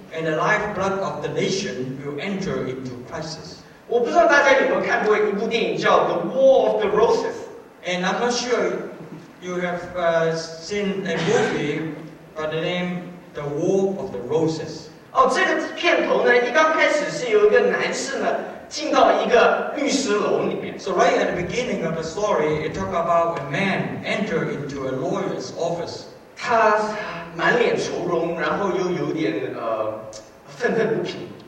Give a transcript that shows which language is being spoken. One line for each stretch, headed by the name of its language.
English: and the lifeblood of the nation will enter into crisis.
Chinese: 我不知道大家有没有看过一部电影叫 The War of the Roses,
English: and I'm not sure you have seen a movie by the name The War of the Roses.
Chinese: 哦，这个片头呢，一刚开始是有一个男士呢进到一个律师楼里面。
English: So right at the beginning of the story, it talked about a man enter into a lawyer's office.
Chinese: 他满脸愁容，然后又有点愤愤不平。